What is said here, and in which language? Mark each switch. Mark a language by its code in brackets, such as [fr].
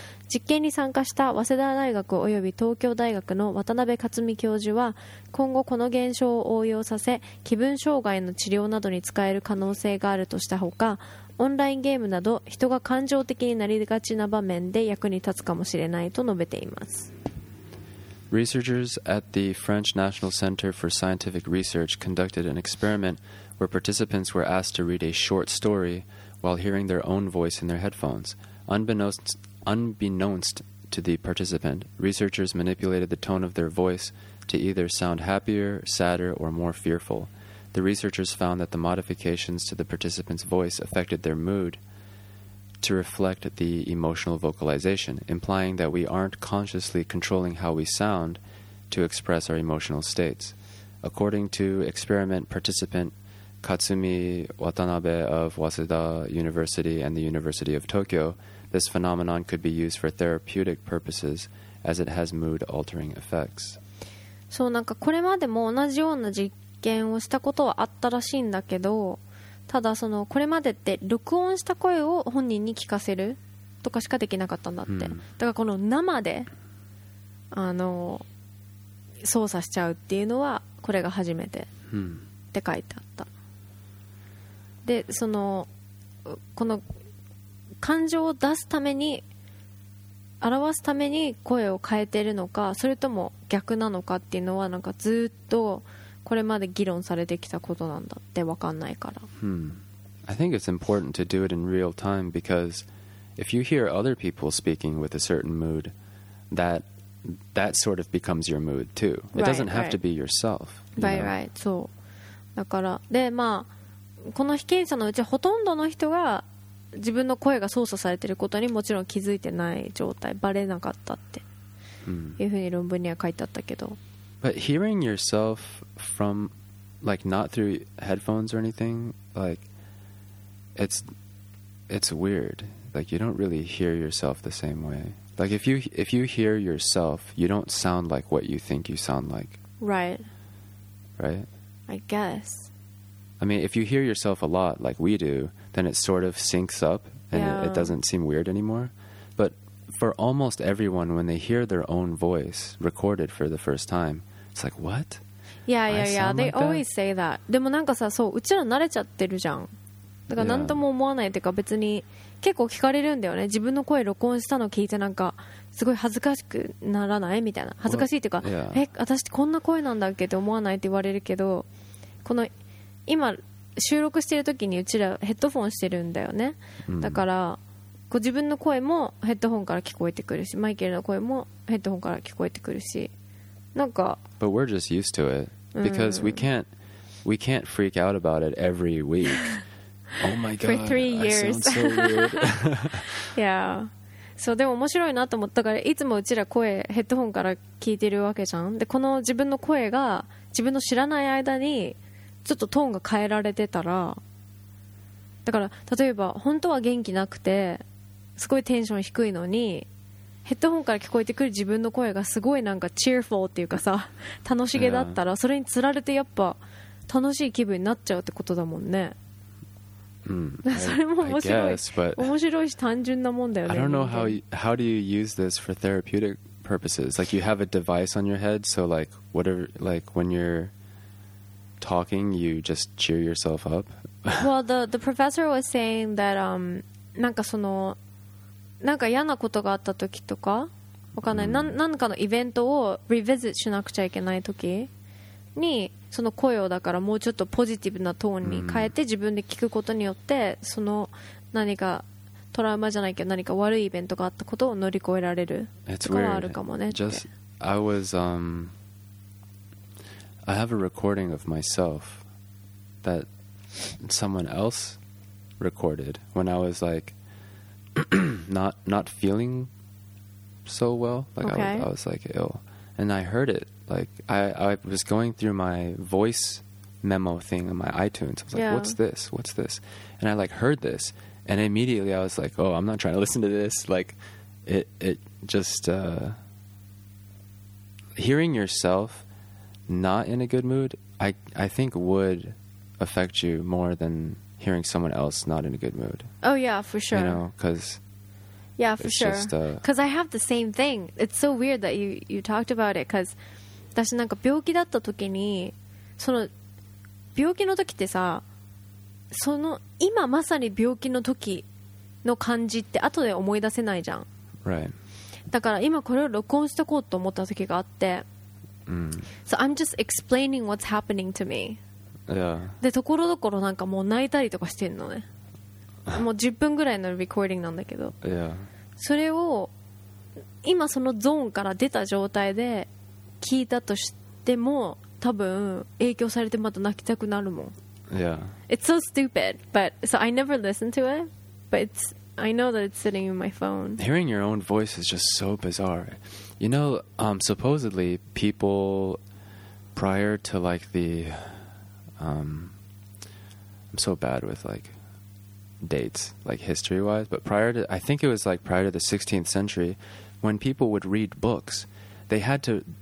[ja] 実験に参加した早稲田大学及び東京大学の渡辺克美教授は、今後この現象を応用させ、気分障害の治療などに使える可能性があるとしたほか、オンラインゲームなど人が感情的になりがちな場面で役に立つかもしれないと述べています。 [en] Researchers at the French National Center for Scientific Research conducted an experiment where participants were asked to read a short story while hearing their own voice in their headphones. Unbeknownst to the participant, researchers manipulated the tone of their voice to either sound happier, sadder, or more fearful. The researchers found that the modifications to the participant's voice affected their mood to reflect the emotional vocalization, implying that we aren't consciously controlling how we sound to express our emotional states. According to experiment participant Katsumi Watanabe of Waseda University and the University of Tokyo, this phenomenon could be used for therapeutic purposes as it has mood-altering effects. [ja] そう、なんかこれまでも同じような実験をしたことはあったらしいんだけど、ただそのこれまでって録音した声を本人に聞かせるとかしかできなかったんだって、うん、だからこの生で操作しちゃうっていうのはこれが初めてって書いてあった、うん、でそのこの感情を出すために表すために声を変えてるのかそれとも逆なのかっていうのはなんかずっとこれまで議論されてきたことなんだって分かんないから、 hmm. [en] I think it's important to do it in real time because if you hear other people speaking with a certain mood that sort of becomes your mood too. It right, doesn't have、right. to be yourself. You right,、know? Right, [ja] そう。だからで、まあこの被験者のうちほとんどの人が自分の声が操作されてることにもちろん気づいてない状態バレなかったって、 hmm. いうふうに論文には書いてあったけど、 [en] But hearing yourself from, like, not through headphones or anything, like, it's weird. Like, you don't really hear yourself the same way. Like, if you hear yourself, you don't sound like what you think you sound like. Right. Right? I guess. I mean, if you hear yourself a lot, like we do, then it sort of syncs up and、yeah. it doesn't seem weird anymore. But... For almost everyone, when they hear their own voice recorded for the first time, it's like, what? Yeah, yeah, yeah. They、like、always say that. [ja] でもなんかさ、そう、うちら慣れちゃってるじゃん。だからなんとも思わないっていうか、別に結構聞かれるんだよね。自分の声録音したの聞いてなんかすごい恥ずかしくならないみたいな。恥ずかしいっていうか、 [en] yeah. [ja] 私こんな声なんだっけって思わないって言われるけど、この今収録してる時にうちらヘッドフォンしてるんだよね。だから、mm. 自分の声もヘッドホンから聞こえてくるし、マイケルの声もヘッドホンから聞こえてくるし、なんか。 [en] But we're just used to it because we can't freak out about it every week. Oh my god. For 3 years. I sound so weird. yeah. [ja] そうでも面白いなと思ったから、いつもうちら声ヘッドホンから聞いてるわけじゃん。でこの自分の声が自分の知らない間にちょっとトーンが変えられてたら、だから例えば本当は元気なくて。すごいテンション低いのにヘッドホンから聞こえてくる自分の声がすごいなんかチェアフォーっていうかさ楽しげだったら、yeah. それにつられてやっぱ楽しい気分になっちゃうってことだもんね、 mm. それも面白い [en] I guess, but [ja] 面白いし単純なもんだよね [en] I don't know how do you use this for therapeutic purposes like you have a device on your head so like whatever like when you're talking you just cheer yourself up well the professor was saying that [ja] なんかそのなんか嫌なことがあった時とか、わかんない、mm. 何かのイベントをリビジットしなくちゃいけない時にその声をだからもうちょっとポジティブなトーンに変えて自分で聞くことによってその何かトラウマじゃないけど何か悪いイベントがあったことを乗り越えられるとかはあるかもねって。 [en] Just, I was, I have a recording of myself that someone else recorded when I was like not feeling so well like、 okay. I was like ill and I heard it like I was going through my voice memo thing on my iTunes I was、 yeah. like what's this and I like heard this and immediately I was like oh I'm not trying to listen to this like it just hearing yourself not in a good mood I think would affect you more thanhearing someone else not in a good mood. Oh yeah, for sure. You know, because yeah, for sure. Because I have the same thing. It's so weird that you talked about it. Because [ja] 私なんか病気だった時にその病気の時ってさその今まさに病気の時の感じって後で思い出せないじゃん。 [en] Right. [ja] だから今これを録音しとこうと思った時があって。 Mm. [en] So I'm just explaining what's happening to me. Yeah. [ja] でところどころなんかもう泣いたりとかしてんのねもう10分ぐらいのレコーディングなんだけど、 [en] yeah. [ja] それを今そのゾーンから出た状態で聞いたとしても多分影響されてまた泣きたくなるもん、 [en] yeah. It's so stupid but so I never listen to it but it's, I know that it's sitting in my phone Hearing your own voice is just so bizarre You know、supposedly people prior to like theI'm so bad with like dates, like history wise, but prior to the 16th century, when people would read books, they had to